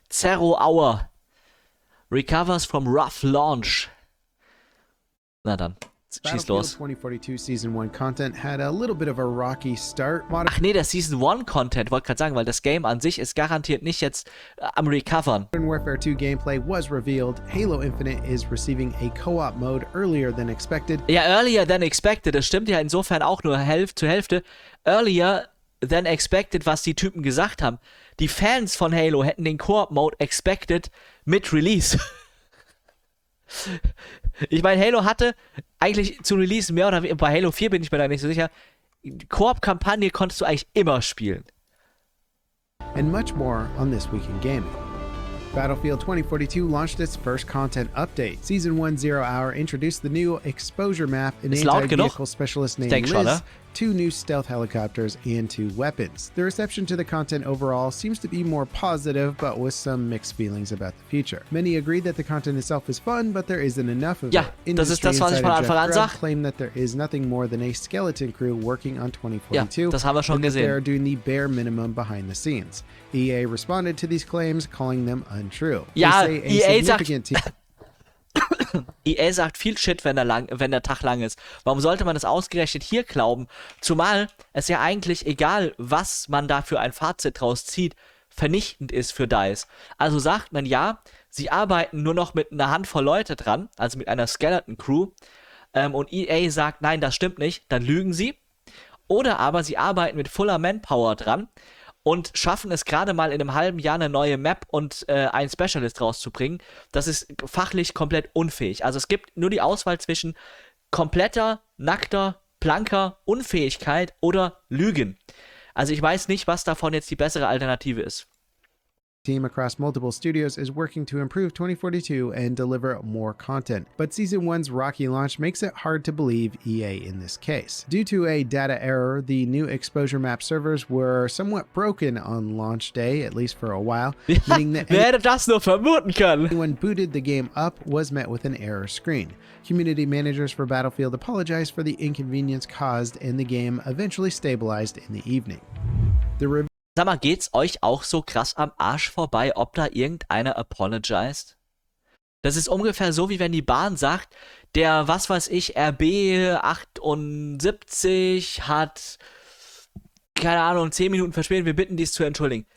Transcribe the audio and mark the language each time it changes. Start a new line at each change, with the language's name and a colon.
English: Zero Hour recovers from rough launch.
German: Na dann, schieß los.
English: Battlefield 2042 Season 1 Content had a little bit of a rocky start.
German: Ach nee, der Season 1 Content, wollte gerade sagen, weil das Game an sich ist garantiert nicht jetzt am recovern.
English: Modern Warfare 2 Gameplay was revealed. Halo Infinite is receiving a co-op mode earlier than expected.
German: Ja,
English: earlier than expected,
German: das stimmt ja insofern auch nur zur Hälfte.
English: Earlier than expected,
German: was die Typen gesagt haben. Die Fans von Halo hätten den co-op mode expected mit Release. Ich meine, Halo hatte eigentlich zu Release mehr oder weniger, bei Halo 4 bin ich mir da nicht so sicher, Koop-Kampagne konntest du eigentlich immer spielen.
English: And much more on this week in gaming. Battlefield 2042 launched its first content update. Season 1 Zero Hour introduced the new exposure map in anti-vehicle specialist named Liz,
German: schon,
English: two new stealth helicopters and two weapons. The reception to the content overall seems to be more positive, but with some mixed feelings about the future. Many agree that the content itself is fun, but there isn't enough of
German: ja,
English: it.
German: Das ist das, was ich von Anfang an sag.
English: Claim that there is nothing more than a skeleton crew working on 2042.
German: Ja, das haben wir schon gesehen.
English: They are doing the bare minimum behind the scenes. EA responded to these claims, calling them untrue.
German: Ja, EA sagt viel Shit, wenn der Tag lang ist. Warum sollte man das ausgerechnet hier glauben? Zumal es ja eigentlich egal, was man da für ein Fazit draus zieht, vernichtend ist für DICE. Also sagt man ja, sie arbeiten nur noch mit einer Handvoll Leute dran, also mit einer Skeleton-Crew, und EA sagt, nein, das stimmt nicht, dann lügen sie. Oder aber sie arbeiten mit voller Manpower dran und schaffen es gerade mal in einem halben Jahr eine neue Map und einen Specialist rauszubringen. Das ist fachlich komplett unfähig. Also es gibt nur die Auswahl zwischen kompletter, nackter, blanker Unfähigkeit oder Lügen. Also ich weiß nicht, was davon jetzt die bessere Alternative ist.
English: team across multiple studios is working to improve 2042 and deliver more content. But Season 1's rocky launch makes it hard to believe EA in this case. Due to a data error, the new exposure map servers were somewhat broken on launch day, at least for a while. Meaning that
German: wer hätte das nur vermuten können?
English: Anyone booted the game up was met with an error screen. Community managers for Battlefield apologized for the inconvenience caused, and the game eventually stabilized in the evening.
German: Sag mal, geht's euch auch so krass am Arsch vorbei, ob da irgendeiner apologized? Das ist ungefähr so, wie wenn die Bahn sagt, der, was weiß ich, RB78 hat, keine Ahnung, 10 Minuten verspätet, wir bitten dies zu entschuldigen.